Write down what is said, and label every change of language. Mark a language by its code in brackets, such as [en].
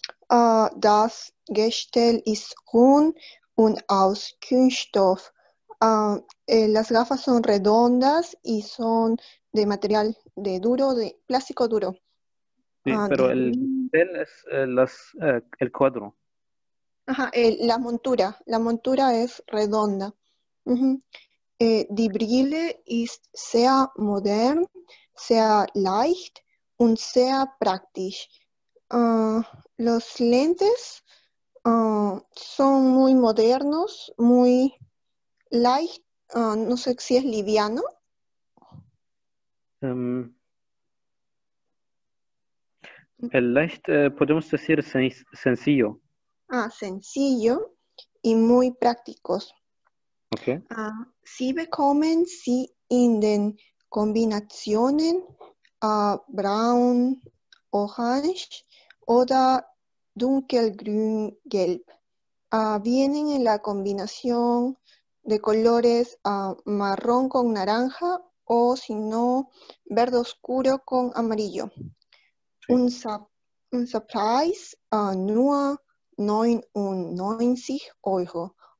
[de] Das Gestell ist rund und aus Kunststoff. [es] Las gafas son redondas y son de material de duro, de plástico duro. Sí, pero el es el cuadro. La montura es redonda. [de] Die Brille ist sehr modern, sehr leicht und sehr praktisch. [es] Los lentes son muy modernos, muy light, no sé si es liviano. El light, podemos decir sencillo. Sencillo y muy prácticos. Okay. [de] Sie bekommen sie in den Kombinationen braun, orange oder dunkelgrün, gelb. [es] Vienen en la combinación de colores marrón con naranja o si no, verde oscuro con amarillo. Un surprise a nur 99 €.